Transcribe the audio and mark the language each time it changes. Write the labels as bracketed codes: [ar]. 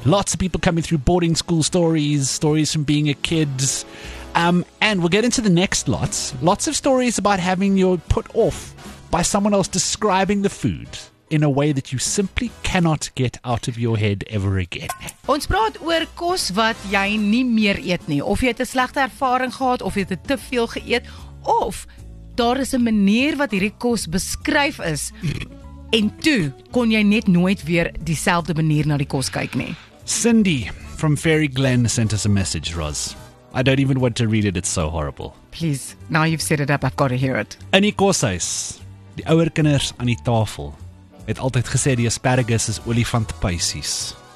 [en] Lots of people coming through boarding school stories from being a kid. And we'll get into the next lots. Lots of stories about having you put off by someone else describing the food in a way that you simply cannot get out of your head ever again. [af] Ons praat oor kos wat jy nie meer eet nie. Of jy het 'n slegte ervaring gehad, of jy het te veel geëet, of daar is 'n manier wat hierdie kos beskryf is, en toe kon jy net nooit weer dieselfde manier na die kos kyk nie. [en] Cindy from Fairy Glen sent us a message, Roz. I don't even want to read it, it's so horrible. Please, now you've set it up, I've got to hear it. [af] In die koshuis, die ouer kinders aan die tafel, het altyd gesê die asparagus is olifant paisies.